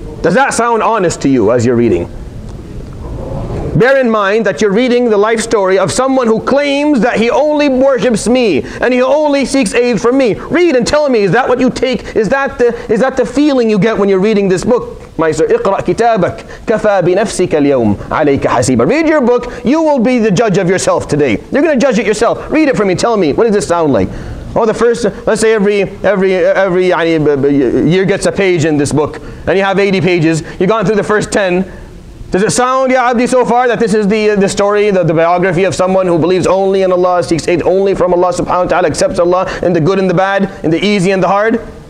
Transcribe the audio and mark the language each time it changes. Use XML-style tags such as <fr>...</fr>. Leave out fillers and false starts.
<en>Does that sound honest to you as you're reading? Bear in mind that you're reading the life story of someone who claims that he only worships me and he only seeks aid from me. Read and tell me, is that what you take? Is that the feeling you get when you're reading this book? My sir,</en> <ar>اقرأ كتابك كفى بنفسك اليوم عليك حسيبا.</ar> <en>Read your book, you will be the judge of yourself today. You're going to judge it yourself. Read it for me, tell me, what does this sound like? Oh, the first, let's say every year gets a page in this book and you have 80 pages, you've gone through the first 10. Does it sound,</en> <ar>Ya Abdi,</ar> <en>so far that this is the story, the biography of someone who believes only in Allah, seeks aid only from Allah subhanahu wa ta'ala, accepts Allah in the good and the bad, in the easy and the hard?</en>